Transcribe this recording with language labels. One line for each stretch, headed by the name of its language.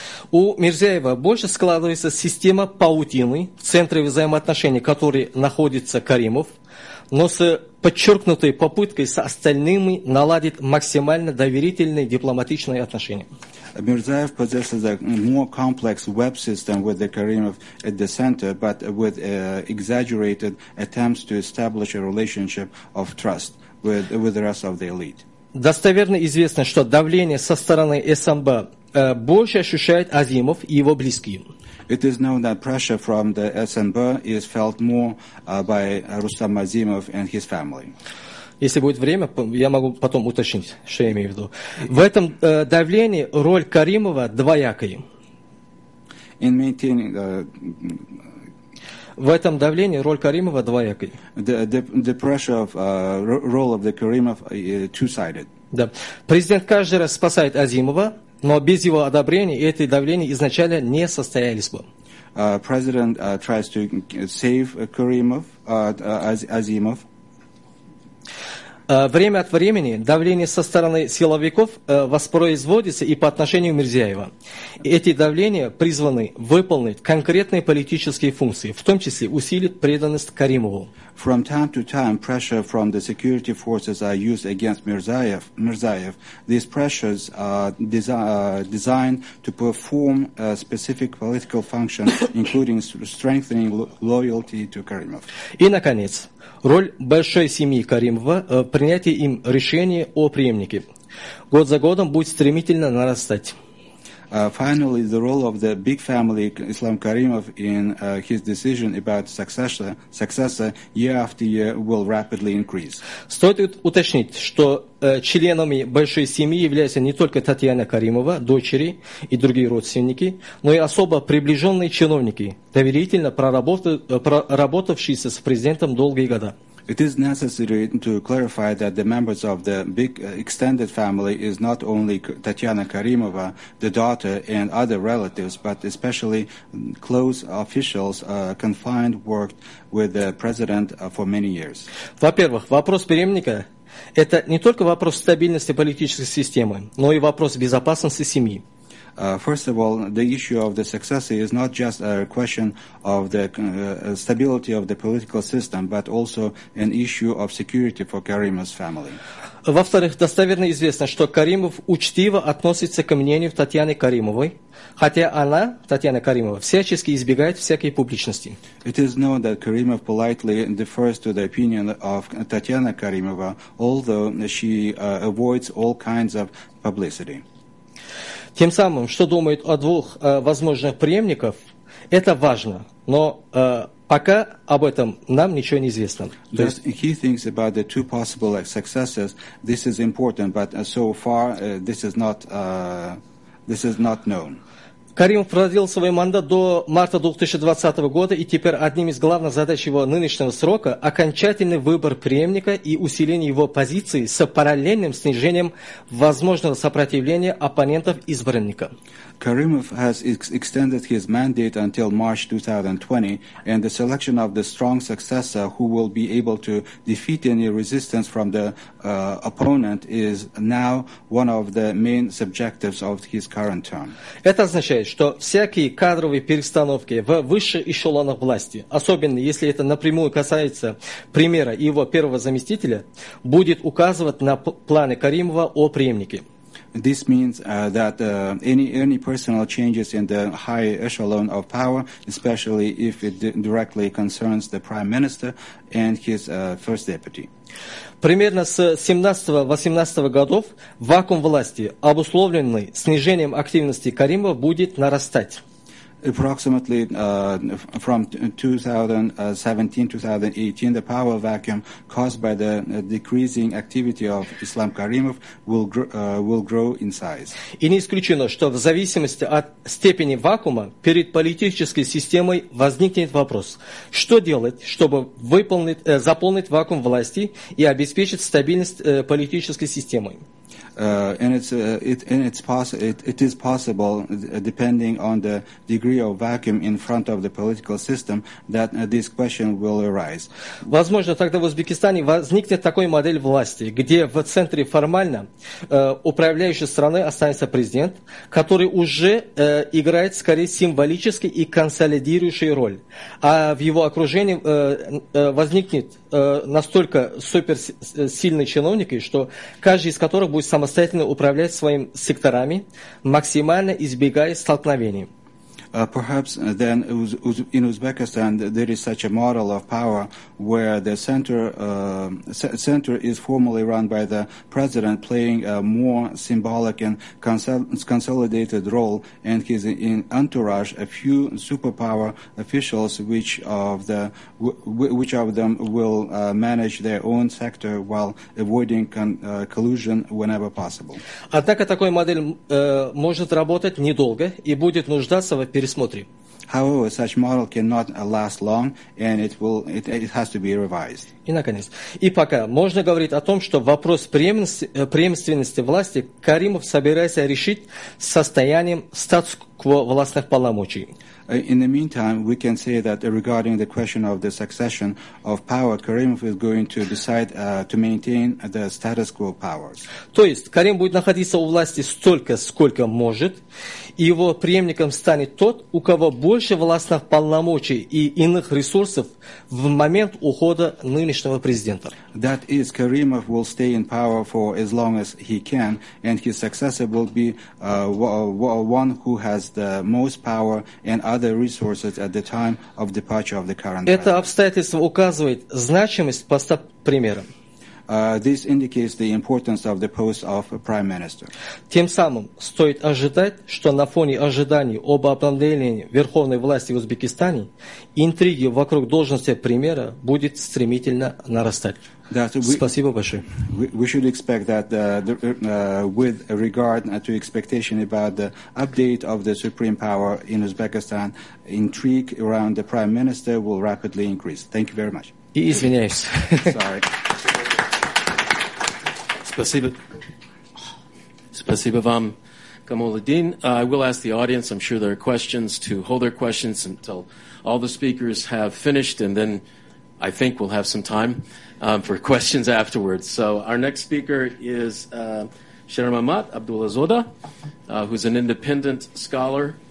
Russian: У Мирзиёева больше складывается система паутины в центре взаимоотношений, в которой находится Каримов, но с подчеркнутой попыткой с остальными наладить максимально доверительные дипломатичные отношения.
English: Mirziyoyev possesses a more complex web system with the Karimov at the center, but with exaggerated attempts to establish a relationship of trust with the rest of the elite.
Russian: Достоверно известно, что давление со стороны СНБ больше ощущает Азимов и его близкие.
English: It is known that pressure from the СНБ is felt more by Рустам Азимов and his family.
Russian: Если будет время, я могу потом уточнить, что я имею в виду. В этом давлении роль Каримова двоякая.
English: In maintaining,
Russian: в этом давлении роль Каримова двоякая.
English: The pressure of role of the Karimov two-sided.
Russian: Да. Президент каждый раз спасает Азимова, но без его одобрения это давление изначально не состоялись бы.
English: President tries to save Karimov, Азимов.
Russian: Время от времени давление со стороны силовиков воспроизводится и по отношению Мирзиёева. Эти давления призваны выполнить конкретные политические функции, в том числе усилить преданность Каримову.
English: From time to time, pressure from the security forces are used against Mirziyoyev. These pressures are designed to perform a specific political function, including strengthening loyalty to Karimov.
Russian: И, наконец, роль большой семьи Каримова в принятии им решения о преемнике год за годом будет стремительно нарастать.
English: Finally, the role of the big family Islam Karimov in his decision about successor year after year will rapidly increase.
Russian: Стоит уточнить, что членами большой семьи являются не только Татьяна Каримова, дочери и другие родственники, но и особо приближенные чиновники, доверительно проработавшиеся с президентом долгие года.
English: It is necessary to clarify that the members of the big extended family is not only Татьяна Каримова, the daughter, and other relatives, but especially close officials confined worked with the president for many years.
Russian: Во-первых, вопрос преемника – это не только вопрос стабильности политической системы, но и вопрос безопасности семьи.
English: First of all, the issue of the successor is not just a question of the stability of the political system, but also an issue of security for Karimov's family.
Russian: Во-вторых, достоверно известно, что Каримов учтиво относится к мнению Татьяны Каримовой, хотя она, Татьяна Каримова, всячески избегает всякой публичности.
English: It is known that Karimov politely defers to the opinion of Татьяна Каримова, although she avoids all kinds of publicity.
Russian: Тем самым, что думают о двух возможных преемниках, это важно, но пока об этом нам ничего не известно. То есть,
English: he thinks about the two possible successors. This is important, but so far this is not known.
Russian: Карим продлил свой мандат до марта 2020 года, и теперь одним из главных задач его нынешнего срока – окончательный выбор преемника и усиление его позиции с параллельным снижением возможного сопротивления оппонентов избранника.
English: Каримов has extended his mandate until March 2020, and the selection of the strong successor who will be able to defeat any resistance from the opponent is now one of the main objectives of his current term.
Russian: Это означает, что всякие кадровые перестановки в высших эшелонах власти, особенно если это напрямую касается премьера и его первого заместителя, будет указывать на планы Каримова о преемнике.
English: This means that any personal changes in the high echelon of power, especially if it directly concerns the prime minister and his first deputy.
Russian: Примерно с 17-18 годов вакуум власти, обусловленный снижением активности Каримова, будет нарастать.
English: Approximately from 2017-2018, the power vacuum caused by the decreasing activity of Islam Karimov will grow in size.
Russian: И не исключено, что в зависимости от степени вакуума перед политической системой возникнет вопрос, что делать, чтобы заполнить вакуум власти и обеспечить стабильность политической системы.
English: And it is possible, depending on the degree of vacuum in front of the political system, that this question will arise.
Russian: Возможно, тогда в Узбекистане возникнет такой модель власти, где в центре формально управляющей страны останется президент, который уже играет скорее символический и консолидирующий роль, а в его окружении возникнет настолько суперсильные чиновники, что каждый из которых будет самостоятельно управлять своими секторами, максимально избегая столкновений.
English: Perhaps then in Uzbekistan there is such a model of power where the center is formally run by the president, playing a more symbolic and consolidated role, and his in entourage a few superpower officials, which of them will manage their own sector while avoiding collusion whenever possible.
Russian: Однако такой модель может работать недолго и будет нуждаться в пересмотре.
English: However, such model cannot last long, and it has to be revised.
Russian: И наконец, и пока можно говорить о том, что вопрос преемственности власти Каримов собирается решить состоянием статус-кво властных полномочий.
English: In the meantime, we can say that regarding the question of the succession of power, Каримов is going to decide to maintain the status quo powers.
Russian: То есть Карим будет находиться у власти столько, сколько может, и его преемником станет тот, у кого больше властных полномочий и иных ресурсов в момент ухода нынешнего президента.
English: That is, Каримов will stay in power for as long as he can, and his successor will be one who has the most power and other resources at the time of departure of the current president.
Russian: Это обстоятельство указывает значимость поста премьера.
English: This indicates the importance of the post of prime minister.
Russian: Тем самым стоит ожидать, что на фоне ожиданий об обновлении верховной власти в Узбекистане интриги вокруг должности премьера будет стремительно нарастать. Спасибо большое.
English: We should expect that with regard to expectation about the update of the supreme power in Uzbekistan, intrigue around the prime minister will rapidly increase. Thank you very much.
Russian: И извиняюсь.
English: Sorry.
Russian: Спасибо вам, Камоладдин.
English: I will ask the audience, I'm sure there are questions, to hold their questions until all the speakers have finished, and then I think we'll have some time for questions afterwards. So our next speaker is Shermamat Abdulazoda, who's an independent scholar.